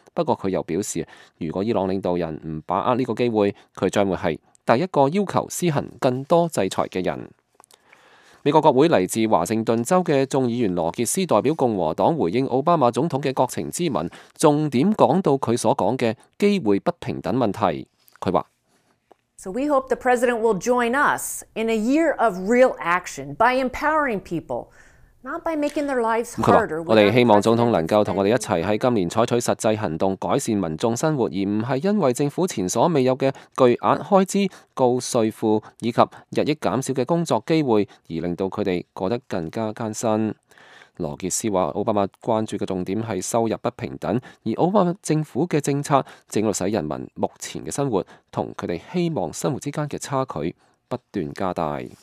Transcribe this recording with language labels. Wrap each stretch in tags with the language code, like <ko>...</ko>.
<zh>不过他又表示，如果伊朗领导人不把握这个机会，他将会是第一个要求施行更多制裁的人。美国国会来自华盛顿州的众议员罗杰斯代表共和党回应奥巴马总统的国情之文，重点讲到他所讲的机会不平等问题。他说，</zh> <en>So we hope the president will join us in a year of real action by empowering people, not by making their lives harder.</en> <zh>我们希望总统能够和我们一起在今年采取实际行动改善民众生活，而不是因为政府前所未有的巨额开支、高税负以及日益减少的工作机会而令到他们过得更加艰辛。罗杰斯说，奥巴马关注的重点是收入不平等，而奥巴马政府的政策正在使人民目前的生活和他们希望生活之间的差距不断加大。</zh>